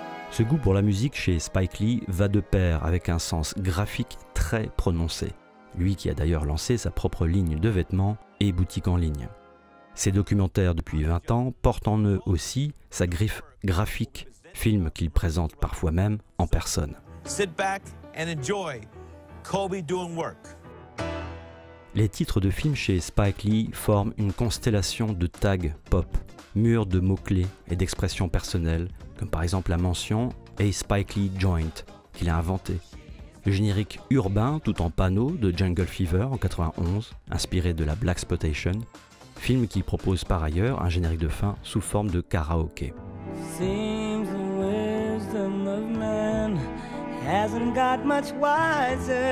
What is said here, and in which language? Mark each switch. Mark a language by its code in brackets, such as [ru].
[fr] Ce goût pour la musique chez Spike Lee va de pair avec un sens graphique très prononcé, lui qui a d'ailleurs lancé sa propre ligne de vêtements et boutique en ligne. Ses documentaires depuis 20 ans portent en eux aussi sa griffe graphique, film qu'il présente parfois même en personne. [en] Sit back and enjoy Kobe doing work. [fr] Les titres de films chez Spike Lee forment une constellation de tags pop, murs de mots-clés et d'expressions personnelles, comme par exemple la mention « A Spike Lee Joint » qu'il a inventé. Le générique urbain tout en panneau de Jungle Fever en 91, inspiré de la Blaxploitation, film qui propose par ailleurs un générique de fin sous forme de karaoké. [en] Seems the wisdom of man hasn't got much wiser.